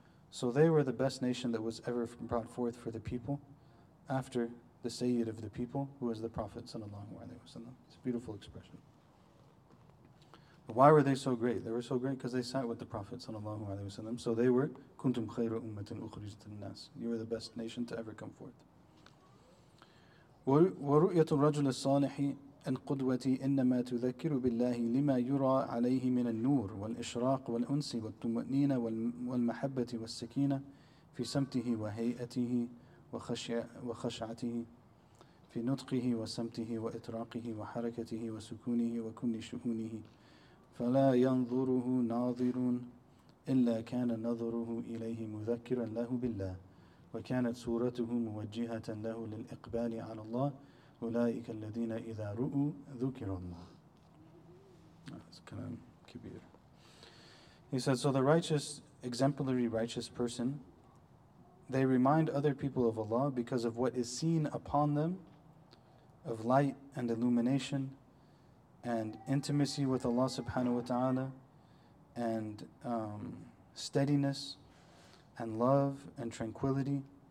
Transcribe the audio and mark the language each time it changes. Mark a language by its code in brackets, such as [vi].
[en] So they were the best nation that was ever brought forth for the people after the Sayyid of the people, who was the Prophet sallallahu alaihi wasallam. It's a beautiful expression. But why were they so great? They were so great because they sat with the Prophet sallallahu alaihi wasallam. So they were [ar] kuntum khayra ummatin ukhrijat lin-nas. [en] You were the best nation to ever come forth. [ar] ورؤية الرجل الصالح القدوة إنما تذكر بالله لما يرى عليه من النور والإشراق والأنس والطمأنينة والمحبة والسكينة في سمته وهيئته وخشعته في نطقه وسمته وإطراقه وحركته وسكونه وكل شؤونه فلا ينظره ناظر إلا كان نظره إليه مذكرا له بالله وكانت صورته موجهة له للإقبال على الله أولئك الذين إذا رؤوا ذكر الله. [en] That's kind of kibir. He said, so the righteous, exemplary righteous person, they remind other people of Allah because of what is seen upon them of light and illumination and intimacy with Allah subhanahu wa ta'ala and steadiness and love and tranquility